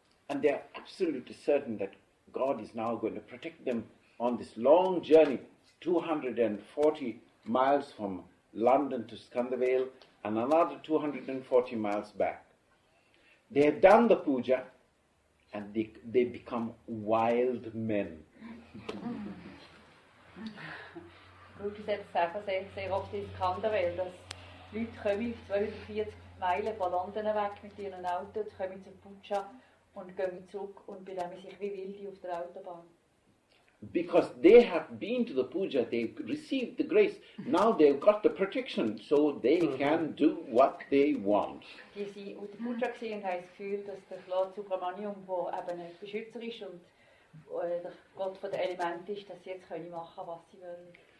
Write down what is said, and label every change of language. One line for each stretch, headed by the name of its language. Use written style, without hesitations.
English: And they are absolutely certain that God is now going to protect them on this long journey, 240 miles from London to Skandavale and another 240 miles back. They have done the puja and they become wild men.
German: Guru
English: said
German: sehr oft in Skandavale, dass Leute kommen 240 Meilen von London weg mit ihren Autos, kommen zur Puja. Und gehen zurück und benehmen sich wie Wilde auf der Autobahn.
English: Because they have been to the puja, they've received the grace. Now they've got the protection, so they can do what they want.
German: Die sind auf der Puja gewesen und haben das Gefühl, dass der Lord Subramaniam, wo eben ein Beschützer ist und der Gott von den Elementen ist, dass sie jetzt können machen, was sie wollen.